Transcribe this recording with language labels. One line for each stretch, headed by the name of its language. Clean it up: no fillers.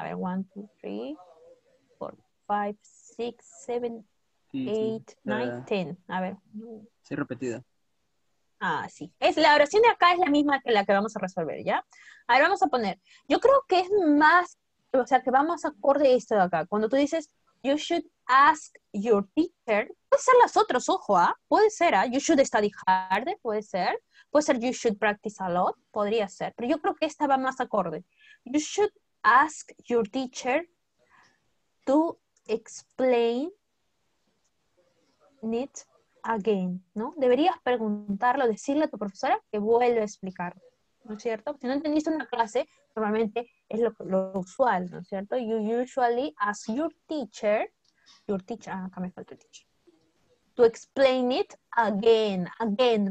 Spanish: A ver, 1, 2, 3, 4, 5, 6, 7, 8, 9, 10. A ver. Sí, repetida. Ah, sí. Es, la oración de acá es la misma que la que vamos a resolver, ¿ya? A ver, vamos a poner. Yo creo que es más, o sea, que va más acorde a esto de acá. Cuando tú dices,
English: you should ask your teacher.
Spanish: Puede ser las otras, ojo, ¿ah? ¿Eh? Puede ser, ¿ah? ¿Eh?
English: You should study harder,
Spanish: puede ser. Puede ser,
English: you should practice a lot,
Spanish: podría ser. Pero yo creo que esta va más acorde.
English: You should ask your teacher to explain it again, ¿no?
Spanish: Deberías preguntarlo, decirle a tu profesora que vuelva a explicar, ¿no es cierto? Si no entendiste una clase, normalmente es lo usual, ¿no es cierto?
English: You usually ask your teacher,
Spanish: acá me falta el
English: teacher, to explain it again, again.